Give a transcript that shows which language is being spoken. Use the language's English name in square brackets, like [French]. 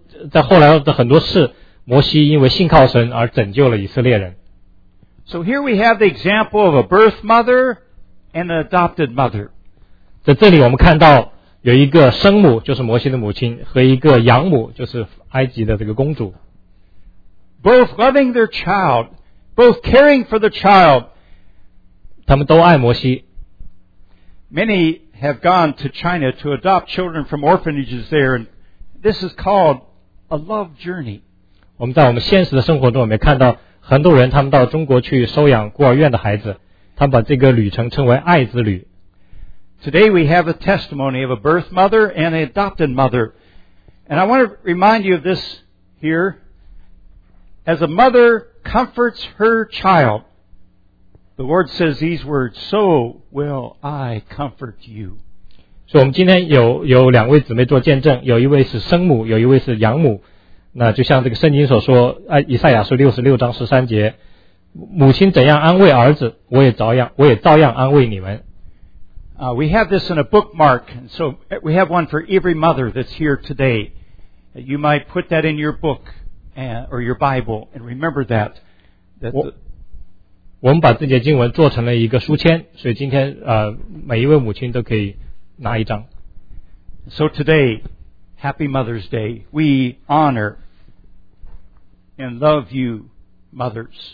[Chinese] 在后来的很多事，摩西因为信靠神而拯救了以色列人。 [English] So here we have the example of a birth mother. And an adopted mother. [Chinese] 在这里我们看到有一个生母就是摩西的母亲和一个养母就是埃及的这个公主。 [English] Both loving their child, both caring for the child. [Chinese] 他们都爱摩西。 [English] Many have gone to China to adopt children from orphanages there, and this is called a love journey. [Chinese] 我们在我们现实的生活中我们看到很多人他们到中国去收养孤儿院的孩子。他把这个旅程称为爱之旅。 [English] Today we have a testimony of a birth mother and an adopted mother. And I want to remind you of this here. As a mother comforts her child, the Lord says these words, so will I comfort you. [Chinese] 所以我们今天有两位姊妹做见证，有一位是生母，有一位是养母。那就像这个圣经所说，以赛亚书66章13节。母亲怎样安慰儿子，我也照样安慰你们。 [English] We have this in a bookmark, so we have one for every mother that's here today. You might put that in your book and or your Bible and remember that. That [Chinese] 我们把这节经文做成了一个书签，所以今天每一位母亲都可以拿一张。 [English] So today, Happy Mother's Day. We honor and love you, mothers.